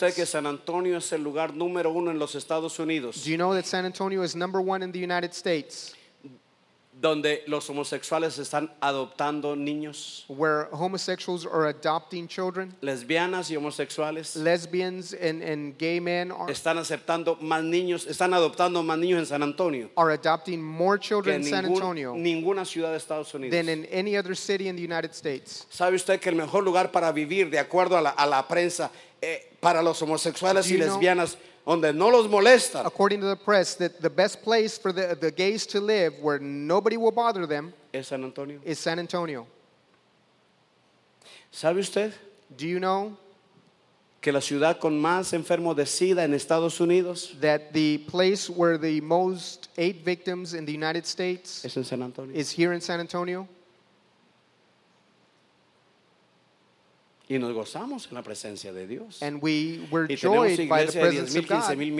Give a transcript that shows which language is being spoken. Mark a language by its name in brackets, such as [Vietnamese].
[Spanish] ¿Sabe usted que San Antonio es el lugar número uno en los Estados Unidos? [English] Do you know that San Antonio is number one in the United States? [Spanish] Donde los homosexuales están adoptando niños. [English] Where homosexuals are adopting children. [Spanish] Lesbianas y homosexuales. [English] Lesbians and gay men are. [Spanish] Están aceptando más niños. Están adoptando más niños en San Antonio. [English] Are adopting more children [Spanish] que [English] in San Antonio. [Spanish] Ninguna ciudad de Estados Unidos. [English] Than in any other city in the United States. [Spanish] ¿Sabe usted que el mejor lugar para vivir, de acuerdo a la prensa, para los homosexuales y lesbianas? [English] Know? [Spanish] Donde no los molesta. [English] According to the press, that the best place for the gays to live where nobody will bother them [Spanish] es San Antonio. [English] Is San Antonio. [Spanish] ¿Sabe usted? [English] Do you know [Spanish] que la ciudad con más enfermos de SIDA en Estados Unidos [English] that the place where the most eight victims in the United States [Spanish] es en San Antonio. [English] Is here in San Antonio? [Spanish] Y nos gozamos en la presencia de Dios. [English] And we were joyed by the presence of God.